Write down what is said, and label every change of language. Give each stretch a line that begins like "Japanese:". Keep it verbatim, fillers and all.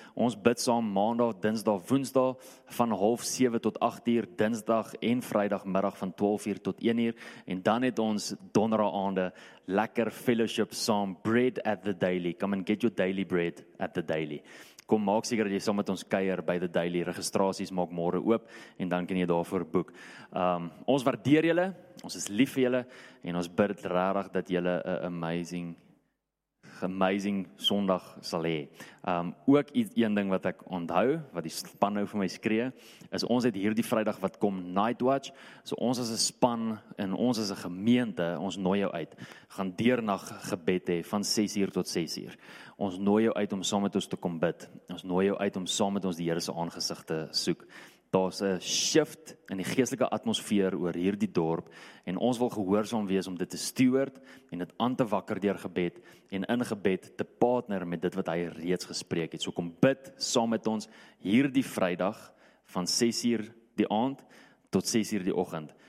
Afrikaans: Ons bid saam Maandag, Dinsdag, Woensdag van half sewe tot agt uur, Dinsdag en Vrydagmiddag van twaalf uur tot een uur en dan het ons Donderdag aande lekker fellowship saam,
English: bread at the daily. Come and get your daily bread at the daily.
Afrikaans: Kom maak seker dat jy saam met ons kuier by The Daily. Registrasies maak môre oop en dan kan jy daarvoor boek. Um, ons waardeer julle, ons is lief vir julle en ons bid regtig dat julle 'n amazing amazing Sondag sal hê. Um ook iets een ding wat ek onthou, wat die span nou vir my skree, is ons het hierdie Vrydag wat kom Nightwatch. So ons as 'n span en ons as 'n gemeente, ons nooi jou uit. Gaan deernag gebed hê van ses uur tot ses uur. Ons nooi jou uit om saam met ons te kom bid. Ons nooi jou uit om saam met ons die Here se aangesig te soek. Daar's 'n shift in die geestelike atmosfeer oor hierdie dorp en ons wil gehoorsaam wees om dit te steward en dit aan te wakker deur gebed en in gebed te partner met dit wat hy reeds gespreek het. So kom bid saam met ons hierdie Vrydag van ses uur die aand tot ses uur die oggend.